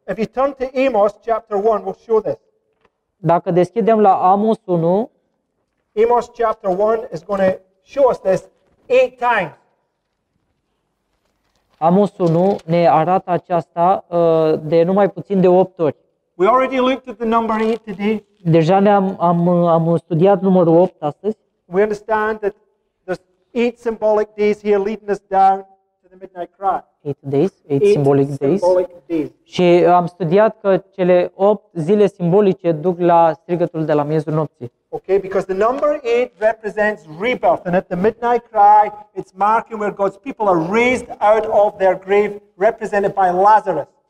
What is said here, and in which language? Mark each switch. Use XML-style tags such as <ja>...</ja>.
<en>If you turn to Amos chapter 1, we'll show this.</en> <ro>Dacă deschidem la Amos 1,</ro> <en>Amos chapter 1 is going to show us this 8 times.</en> <ro>Amos 1 ne arată aceasta de numai puțin de 8 ori.</ro> <en>We already looked at the number 8 today.</en> <ro>Deja am studiat numărul 8 astăzi.</ro> <en>We understand that there's 8 symbolic days here leading us down to the midnight cry. 8 days, 8 symbolic days.</en> <ro>Și am studiat că cele 8 zile simbolice duc la strigătul de la miezul nopții.</ro> <en>Okay, because the number 8 represents rebirth, and at the midnight cry, it's marking where God's people are raised out of their grave, represented by Lazarus.</en>